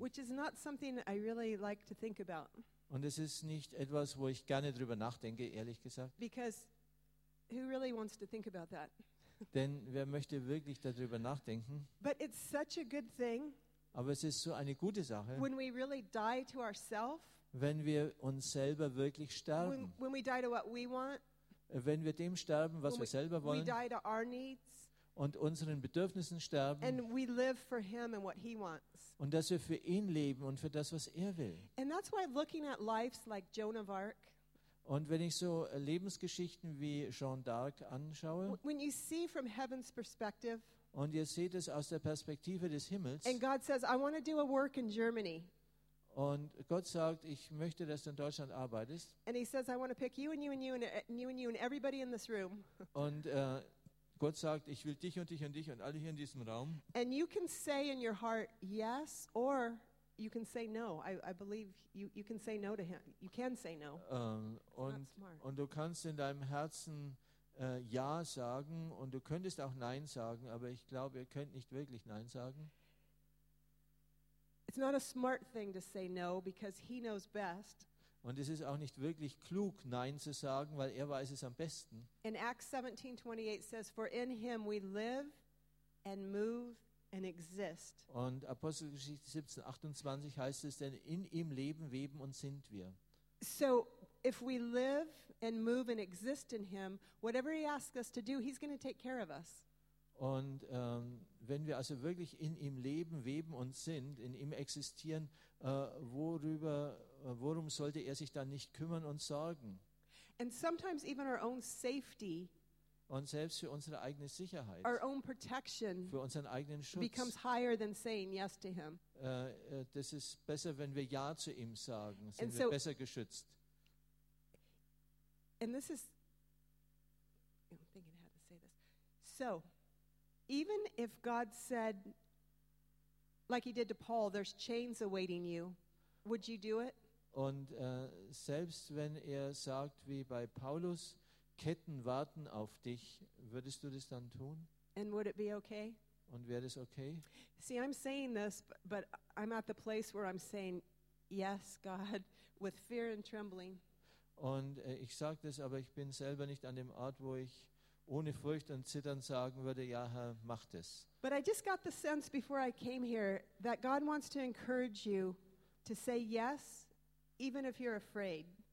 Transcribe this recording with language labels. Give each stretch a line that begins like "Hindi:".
English: which is not something I really like to think about.
German: Und es ist nicht etwas, wo ich gerne drüber nachdenke, ehrlich gesagt.
English: Because who really wants to think about that?
German: Denn wer möchte wirklich darüber nachdenken?
English: But it's such a good thing.
German: Aber es ist so eine gute Sache.
English: When we really die to ourselves,
German: wenn wir uns selber wirklich sterben,
English: when we die to what we want.
German: Wenn wir dem sterben, was wir selber wollen,
English: needs,
German: und unseren Bedürfnissen sterben,
English: and we live for him and what he wants.
German: Und dass wir für ihn leben und für das, was er will.
English: And that's why looking at lives like Joan of Arc,
German: und wenn ich so Lebensgeschichten wie Joan d'Arc anschaue,
English: when you see from heaven's perspective,
German: und ihr seht es aus der Perspektive des Himmels,
English: and God says, I want to do a work in Germany.
German: Und Gott sagt, ich möchte, dass du in Deutschland arbeitest.
English: And he says, I want to pick you and you and you and you and you and everybody in this room.
German: Und Gott sagt, ich will dich und dich und dich und alle hier in diesem Raum.
English: And you can say in your heart yes or you can say no. I believe you can say no to him. You can say no.
German: Und du kannst in deinem Herzen ja sagen und du könntest auch nein sagen, aber ich glaube, ihr könnt nicht wirklich nein sagen.
English: It's not a smart thing to say no because he knows best.
German: Und es ist auch nicht wirklich klug, nein zu sagen, weil er weiß es am besten.
English: In Acts 17:28 says, "For in him we live and move and exist."
German: Und Apostelgeschichte 17:28 heißt es, denn in ihm leben, weben und sind wir.
English: So if we live and move and exist in him, whatever he asks us to do, he's going to take care of us.
German: Und wenn wir also wirklich in ihm leben, weben und sind, in ihm existieren, worum sollte er sich dann nicht kümmern und sorgen?
English: And sometimes even our own safety
German: Und selbst für unsere eigene Sicherheit,
English: our own protection,
German: für unseren eigenen Schutz,
English: becomes higher than saying yes to him.
German: Das ist besser, wenn wir ja zu ihm sagen, sind wir besser geschützt.
English: And this is, I'm thinking how to say this. So, even if God said, like he did to Paul, there's chains awaiting you, would you do it?
German: Und selbst wenn er sagt, wie bei Paulus, Ketten warten auf dich, würdest du das dann tun?
English: And would it be okay?
German: Und wäre das okay?
English: See, I'm saying this, but I'm at the place where I'm saying, yes, God, with fear and trembling.
German: Und ich sage das, aber ich bin selber nicht an dem Ort, wo ich ohne Furcht und Zittern sagen würde, ja, Herr, mach das.
English: But I just got the sense before I came here that God wants to encourage you to say yes, even if you're afraid.